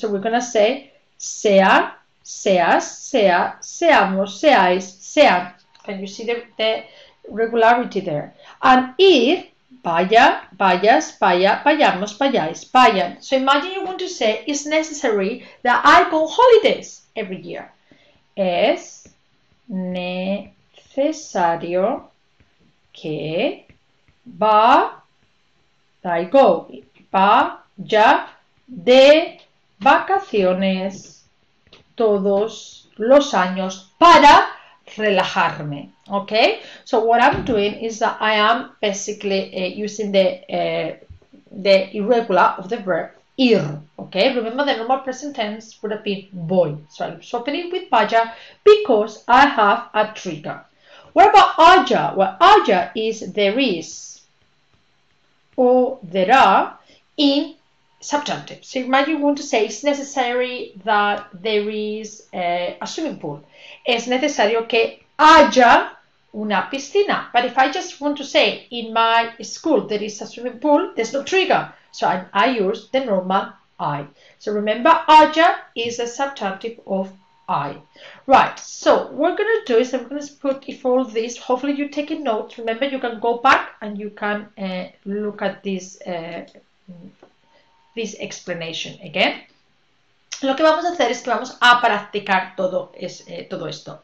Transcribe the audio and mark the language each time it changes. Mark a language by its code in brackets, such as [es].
[en] So we're going to say [es] sea, seas, sea, seamos, seáis, sea. [en] Can you see the irregularity there? And [es] ir, vaya, vayas, vaya, vayamos, vayáis, vayan. [en] So imagine you want to say, it's necessary that I go holidays every year. [es] Es necesario que vaya de vacaciones todos los años para relajarme. [en] Okay, so what I'm doing is that I am basically using the irregular of the verb ir. Okay, remember the normal present tense would have been [es] voy. [en] So I'm swapping it with vaya because I have a trigger. What about haya? Well, haya is there is or there are in subjunctive. So imagine you want to say it's necessary that there is a swimming pool. [es] Es necesario que haya una piscina. [en] But if I just want to say in my school there is a swimming pool, there's no trigger. So I use the normal I. So remember, haya is a subjunctive of I. Right, so what we're going to do is I'm going to put if all this, hopefully you're taking notes. Remember, you can go back and you can look at this this explanation again. [es] Lo que vamos a hacer es que vamos a practicar todo esto.